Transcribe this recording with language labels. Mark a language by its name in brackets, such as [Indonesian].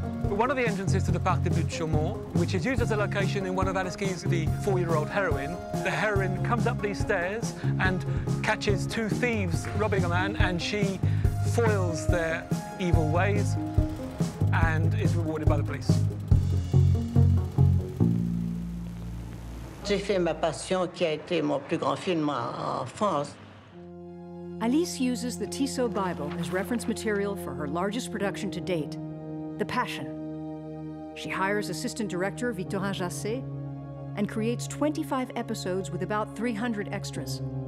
[English] One of the entrances to the Parc des Buttes Chaumont, which is used as a location in one of Alice Guy's The Four-Year-Old Heroine. The heroine comes up these stairs and catches two thieves robbing a man, and she foils their evil ways and is rewarded by the police. [French] J'ai fait ma passion, qui a été mon plus grand film en France. [English] Alice uses the Tissot Bible as reference material for her largest production to date, The Passion. She hires assistant director Victorin Jassé and creates 25 episodes with about 300 extras.